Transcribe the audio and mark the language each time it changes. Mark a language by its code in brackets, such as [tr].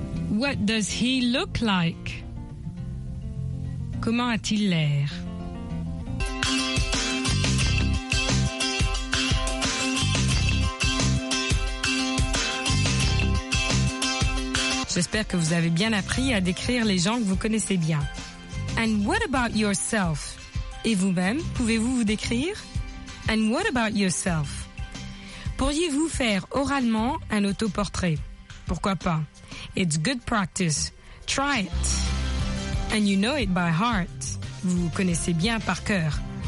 [en] What does he look like? [fr] Comment a-t-il l'air? J'espère que vous avez bien appris à décrire les gens que vous connaissez bien. [en] And what about yourself? [fr] Et vous-même, pouvez-vous vous décrire? [en] And what about yourself? [fr] Pourriez-vous faire oralement un autoportrait? Pourquoi pas? [en] It's good practice. Try it. And you know it by heart. [fr] Vous connaissez bien par cœur.